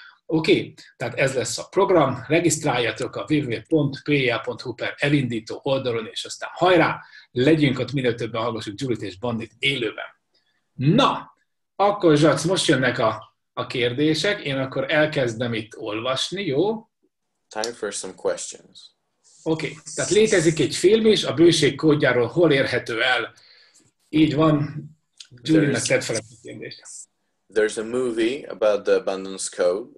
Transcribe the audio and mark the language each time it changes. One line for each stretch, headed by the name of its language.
Hungarian: Oké, tehát ez lesz a program, regisztráljatok a www.pia.hu/evindító oldalon, és aztán hajrá, legyünk ott minél többen, hallgassuk Julit és Bandit élőben. Na, akkor Zsac, most jönnek a kérdések, én akkor elkezdem itt olvasni, jó?
English: Time for some questions.
Hungarian: Oké, tehát létezik egy film is, a bőség kódjáról hol érhető el? Így van, Julinak tedd fel a kérdést.
English: There's a movie about the abundance code.